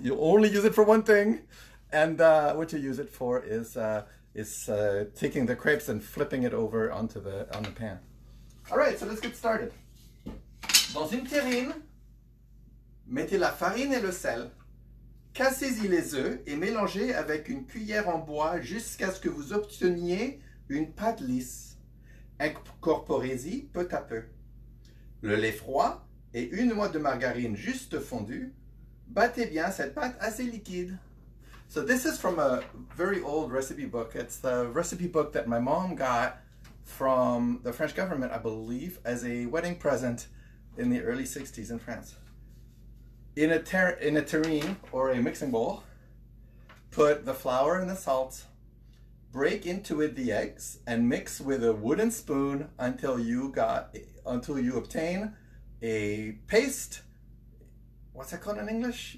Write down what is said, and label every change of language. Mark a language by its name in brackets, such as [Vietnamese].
[English] You only use it for one thing. And what you use it for is taking the crepes and flipping it over onto the pan. All right, so let's get started. [French] Dans une terrine, mettez la farine et le sel. Cassez-y les œufs et mélangez avec une cuillère en bois jusqu'à ce que vous obteniez une pâte lisse. Incorporez-y peu à peu. Le lait froid et une noix de margarine juste fondue, battez bien cette pâte assez liquide. [English] So this is from a very old recipe book. It's the recipe book that my mom got from the French government, I believe, as a wedding present in the early 60s in France. In a terrine or a mixing bowl, put the flour and the salt, break into it the eggs, and mix with a wooden spoon until you obtain a paste, what's that called in English?